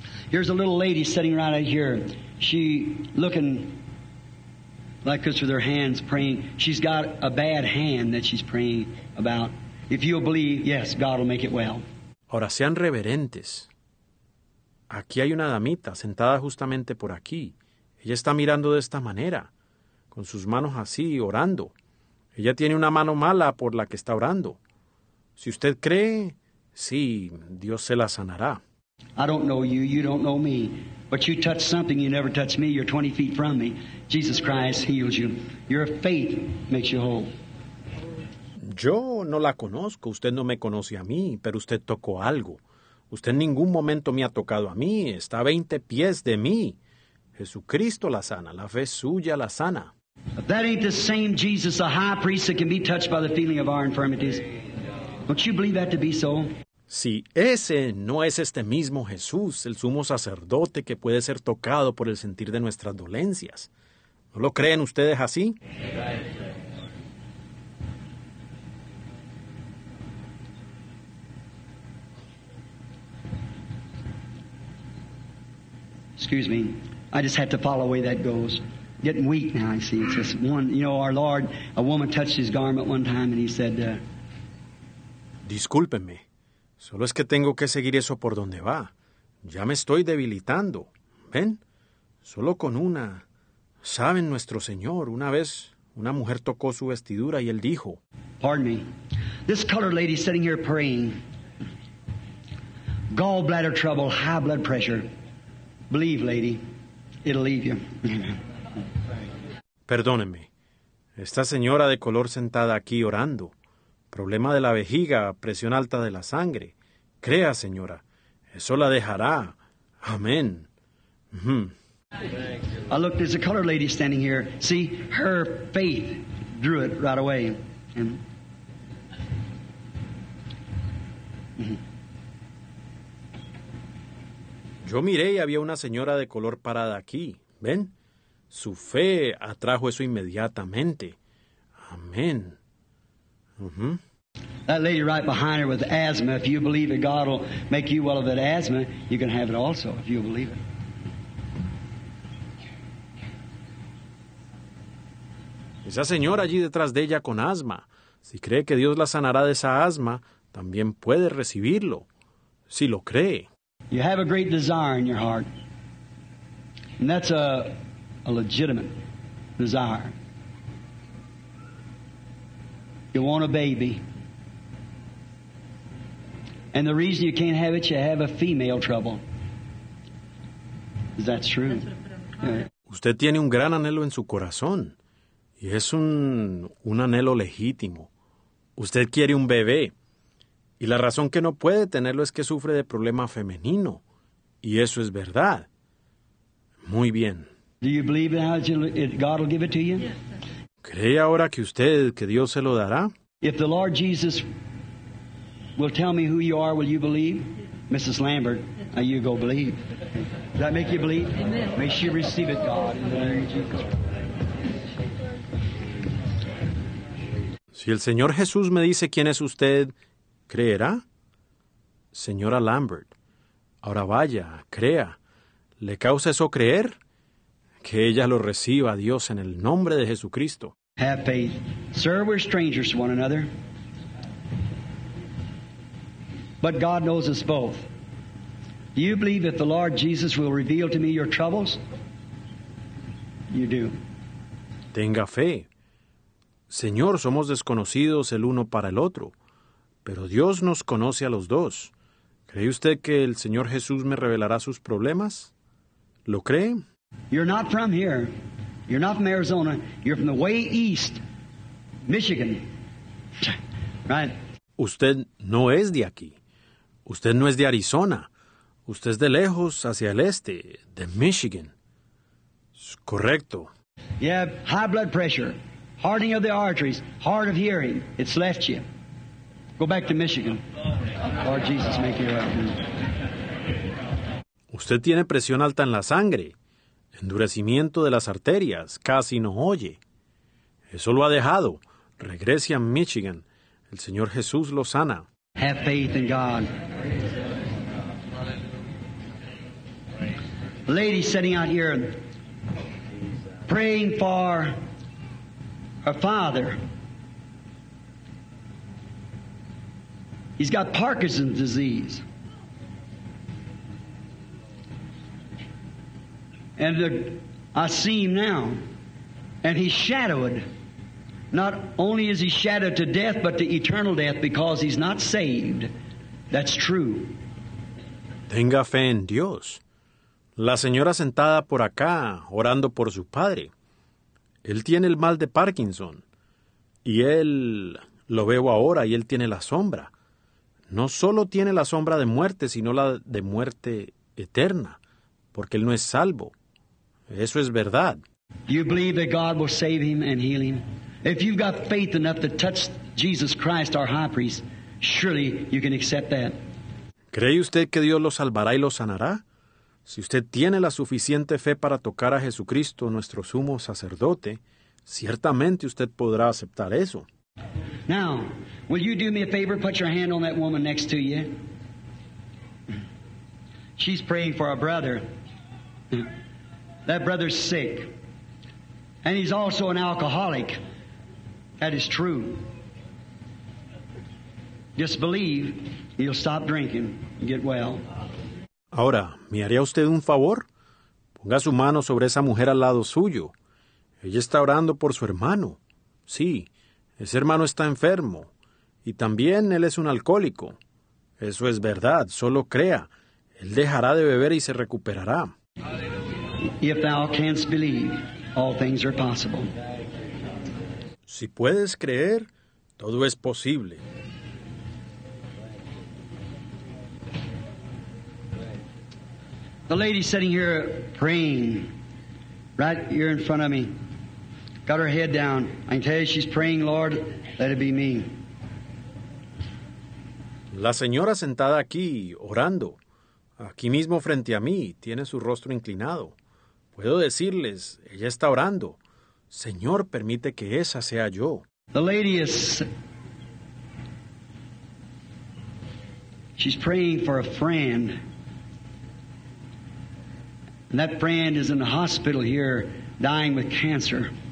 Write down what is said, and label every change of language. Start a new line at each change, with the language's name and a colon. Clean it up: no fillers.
English: Here's a little lady sitting right out here. She looking like this with her hands praying. She's got a bad hand that she's praying about. If you believe, yes, God will make it well.
Spanish: Ahora sean reverentes. Aquí hay una damita sentada justamente por aquí. Ella está mirando de esta manera, con sus manos así, orando. Ella tiene una mano mala por la que está orando. Si usted cree, sí, Dios se la sanará.
English: I don't know you, you don't know me, but you touch something you never touched me. You're 20 feet from me. Jesus Christ heals you. Your faith makes you whole.
Spanish: Yo no la conozco. Usted no me conoce a mí, pero usted tocó algo. Usted en ningún momento me ha tocado a mí. Está a 20 pies de mí. Jesucristo la sana. La fe suya la sana.
English: If that ain't the same Jesus, the high priest that can be touched by the feeling of our infirmities, don't you believe that to be so?
Spanish: Si ese no es este mismo Jesús, el sumo sacerdote que puede ser tocado por el sentir de nuestras dolencias, ¿no lo creen ustedes así?
English: Excuse me, I just have to follow the way that goes. Getting weak now, I see. It's just one, you know, our Lord, a woman touched his garment one time and he said,
Spanish: Discúlpenme. Solo es que tengo que seguir eso por donde va. Ya me estoy debilitando. ¿Ven? Solo con una. ¿Saben, nuestro Señor? Una vez, una mujer tocó su vestidura y él dijo.
English: Pardon me. This colored lady sitting here praying. Gallbladder trouble, high blood pressure. Believe, lady. It'll leave you.
Spanish: Perdónenme. Esta señora de color sentada aquí orando. Problema de la vejiga, presión alta de la sangre. Crea, señora, eso la dejará. Amén.
English: I looked, there's a colored lady standing here. See, her faith drew it right away.
Spanish: Yo miré y había una señora de color parada aquí. ¿Ven? Su fe atrajo eso inmediatamente. Amén.
English: That lady right behind her with asthma, if you believe that God will make you well of that asthma, you can have it also, if you believe it.
Spanish: Esa señora allí detrás de ella con asma, si cree que Dios la sanará de esa asma, también puede recibirlo, si lo cree.
English: You have a great desire in your heart, and that's a legitimate desire. You want a baby. And the reason you can't have it, you have a female trouble. Is that true?
Spanish: Usted tiene un gran anhelo en su corazón. Y es un anhelo legítimo. Usted quiere un bebé. Y la razón que no puede tenerlo es que sufre de problema femenino. Y eso es verdad. Muy bien.
English: Do you believe now that God will give it to you?
Spanish: ¿Cree ahora que usted, que Dios se lo dará?
English: If the Lord Jesus will tell me who you are, will you believe? Mrs. Lambert, now you go believe. Does that make you believe? Amen. May she receive it, God, in the name of Jesus.
Spanish: Si el Señor Jesús me dice quién es usted, ¿creerá? Señora Lambert, ahora vaya, crea. ¿Le causa eso creer? Que ella lo reciba, Dios, en el nombre de Jesucristo.
English: Have faith. Sir, we're strangers to one another. But God knows us both. Do you believe that the Lord Jesus will reveal to me your troubles? You do.
Spanish: Tenga fe. Señor, somos desconocidos el uno para el otro, pero Dios nos conoce a los dos. ¿Cree usted que el Señor Jesús me revelará sus problemas? ¿Lo cree?
English: You're not from here. You're not from Arizona. You're from the way east, Michigan. Right?
Spanish: Usted no es de aquí. Usted no es de Arizona. Usted es de lejos, hacia el este, de Michigan. Correcto.
English: You have high blood pressure, hardening of the arteries, hard of hearing. It's left you. Go back to Michigan. Lord Jesus, make you well.
Spanish: Usted tiene presión alta en la sangre, endurecimiento de las arterias, casi no oye. Eso lo ha dejado. Regrese a Michigan. El Señor Jesús lo sana.
English: Have faith in God. Lady sitting out here praying for her father. He's got Parkinson's disease. And I see him now. And he's shadowed. Not only is he shadowed to death, but to eternal death because he's not saved. That's true.
Spanish: Tenga fe en Dios. La señora sentada por acá, orando por su padre. Él tiene el mal de Parkinson. Y él, lo veo ahora, y él tiene la sombra. No solo tiene la sombra de muerte, sino la de muerte eterna. Porque él no es salvo. Eso es verdad.
English: You believe that God will save him and heal him? If you've got faith enough to touch Jesus Christ, our high priest, surely you can accept that.
Spanish: ¿Cree usted que Dios lo salvará y lo sanará? Si usted tiene la suficiente fe para tocar a Jesucristo, nuestro sumo sacerdote, ciertamente usted podrá aceptar eso.
English: Now, will you do me a favor, put your hand on that woman next to you? She's praying for a brother. That brother's sick. And he's also an alcoholic. That is true. Just believe he'll stop drinking and get well.
Spanish: Ahora, ¿me haría usted un favor? Ponga su mano sobre esa mujer al lado suyo. Ella está orando por su hermano. Sí, ese hermano está enfermo. Y también él es un alcohólico. Eso es verdad, solo crea. Él dejará de beber y se recuperará.
English: If thou canst believe, all things are possible.
Spanish: Si puedes creer, todo es posible.
English: The lady sitting here praying, right here in front of me, got her head down. I can tell you she's praying, Lord, let it be me.
Spanish: La señora sentada aquí, orando, aquí mismo frente a mí, tiene su rostro inclinado. Puedo decirles, ella está orando. Señor, permite que esa sea yo.
English: The lady is... She's praying for a friend. And that friend is in the hospital here, dying with cancer.